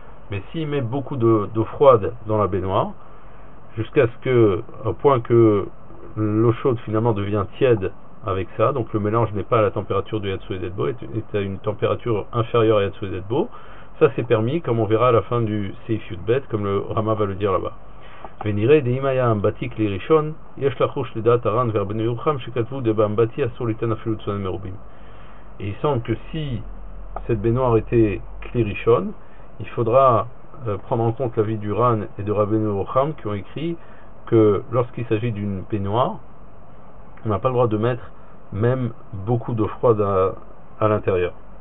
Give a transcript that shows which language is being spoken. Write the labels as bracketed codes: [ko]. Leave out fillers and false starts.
[fr] Mais s'il met beaucoup d'eau froide dans la baignoire, jusqu'à ce que, au point que l'eau chaude finalement devient tiède avec ça, donc le mélange n'est pas à la température du Yatsu Edetbo, est à une température inférieure à Yatsu Edetbo, ça c'est permis, comme on verra à la fin du sefid bet, comme le Rama va le dire là-bas. [he] ונראה דאם היה אמבטי כלי ראשון, יש לחוש לדעת הרן והרבני ירוחם שכתבו דבאמבטי אסור ליתן אפילו צונן מרובים. [fr] Et il semble que si cette baignoire était כלי ראשון, il faudra prendre en compte l'avis du Ran et de Rabbeinu Yerucham qui ont écrit que lorsqu'il s'agit d'une baignoire, on n'a pas le droit de mettre même beaucoup d'eau froide à l'intérieur.